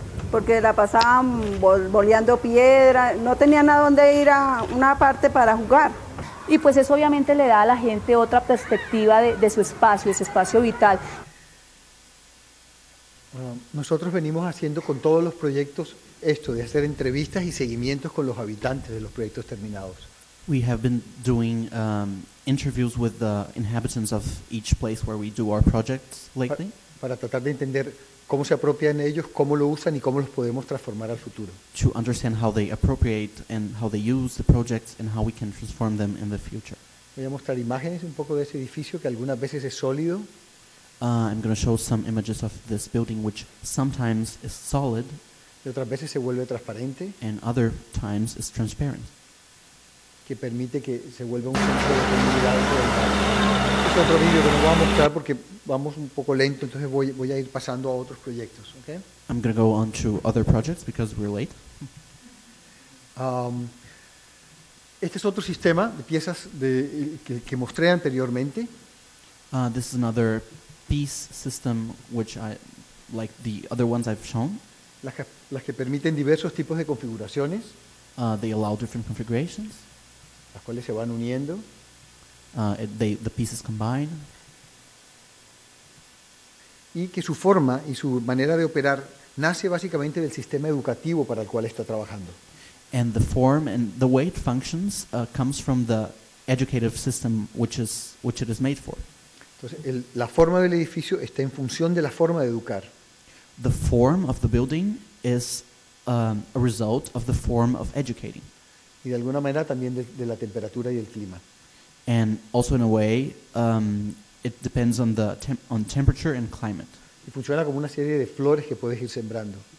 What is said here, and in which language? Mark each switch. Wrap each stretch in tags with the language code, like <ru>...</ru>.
<es>Porque la pasaban boleando piedra, no tenían a dónde ir a una parte para jugar. Y pues eso obviamente le da a la gente otra perspectiva de su espacio vital. Nosotros venimos haciendo con todos los proyectos esto, de hacer entrevistas y seguimientos con los habitantes de los proyectos terminados.</es> <en>We have been doing interviews with the inhabitants of each place where we do our projects lately.</en> <es>Para tratar de entender cómo se apropian ellos, cómo lo usan y cómo los podemos transformar al futuro.</es> <en>To understand how they appropriate and how they use the projects and how we can transform them in the future.</en> <es>Voy a mostrar imágenes un poco de ese edificio que algunas veces es sólido.</es> <en>I'm going to show some images of this building which sometimes is solid.</en> <es>Y otras veces se vuelve transparente.</es> <en>And other times is transparent.</en> <es>Que permite que se vuelva un centro de comunidad. Es otro vídeo que no voy a mostrar porque vamos un poco lento, entonces voy a ir pasando a otros proyectos, ¿ok?</es> <en>I'm going to go on to other projects because we're late.</en> <es>Este es otro sistema de piezas que mostré anteriormente.</es> <en>This is another piece system which I like the other ones I've shown.</en> <es>Las que permiten diversos tipos de configuraciones.</es> <en>They allow different configurations.</en> <es>Las cuales se van uniendo.</es> <en>The pieces combine.</en> <es>Y que su forma y su manera de operar nace básicamente del sistema educativo para el cual está trabajando.</es> <en>And the form and the way it functions comes from the educative system which it is made for.</en> <es>Entonces, la forma del edificio está en función de la forma de educar.</es> <en>The form of the building is a result of the form of educating.</en> <es>Y de alguna manera también de la temperatura y el clima.</es> <en>And also in a way, it depends on the on temperature and climate.</en> <es>Y funciona como una serie de flores que puedes ir sembrando.</es>